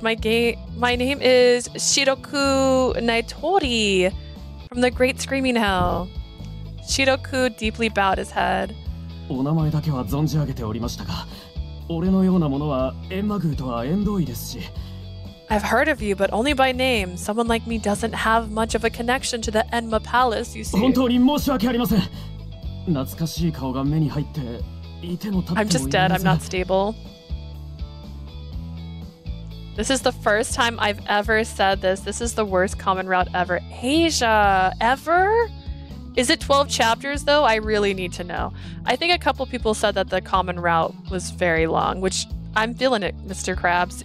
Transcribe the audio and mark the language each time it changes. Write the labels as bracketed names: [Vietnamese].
[English] My name is Shiroku Naitori from the Great Screaming Hell. Shiroku deeply bowed his head. I've heard of you, but only by name. Someone like me doesn't have much of a connection to the Enma Palace, you see. [Japanese] 本当に申し訳ありません。懐かしい顔が目に入って、いても立ってもいいんです。 [English] I'm just dead. I'm not stable. This is the first time I've ever said this. This is the worst common route ever. Asia, ever? Is it 12 chapters though? I really need to know. I think a couple people said that the common route was very long, which I'm feeling it, Mr. Krabs.